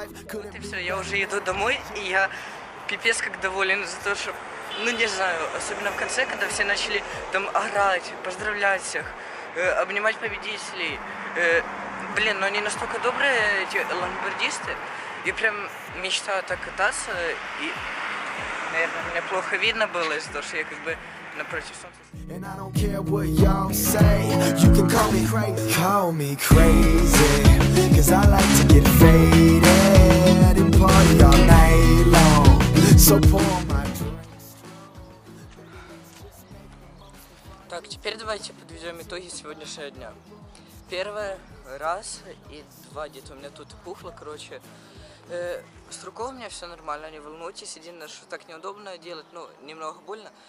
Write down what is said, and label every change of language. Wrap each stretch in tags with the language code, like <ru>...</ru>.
<ru>Вот и все, я уже еду домой, и я пипец как доволен за то, что, ну не знаю, особенно в конце, когда все начали там орать, поздравлять всех, обнимать победителей, блин, но они настолько добрые, эти лонгбордисты, и прям мечтаю так кататься, и, наверное, меня плохо видно было из-за того, что я как бы напротив солнца.</ru> <en>And I don't care what y'all say. You can call me crazy, call me crazy. Cause I like to get faded and party all night long. So pour my drinks.</en> <ru>Так, теперь давайте подведем итоги сегодняшнего дня. Первое, раз и два, где-то у меня тут пухло, короче. С рукой у меня все нормально, не волнуйтесь, единственное, что так неудобно делать, ну, немного больно.</ru>